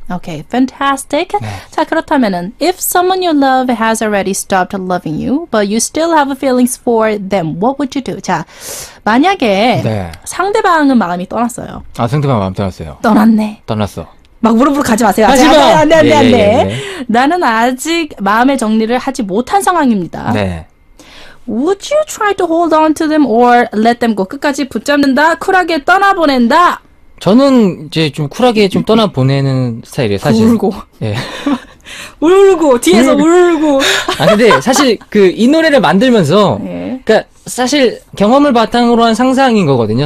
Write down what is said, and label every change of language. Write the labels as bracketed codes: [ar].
[en] Okay, fantastic. Yeah. [ko] 자, 그렇다면은, [en] if someone you love has already stopped loving you, but you still have feelings for them, what would you do? [ko] 자, 만약에 네. 상대방은 마음이 떠났어요. 아, 상대방 마음 떠났어요. 떠났네. 떠났어. 막 우르르 가지 마세요. 가지 마. 안 돼, 안 돼, 안 돼. 나는 아직 마음의 정리를 하지 못한 상황입니다. 네. [en] Would you try to hold on to them or let them go? [ko] 끝까지 붙잡는다, 쿨하게 떠나보낸다. 저는 이제 좀 쿨하게 좀 떠나보내는 스타일이에요, 사실. 울고. 예. 울고, 뒤에서 울고. 아, 근데 사실 그 이 노래를 만들면서. 예. 그러니까 사실 경험을 바탕으로 한 상상인 거거든요.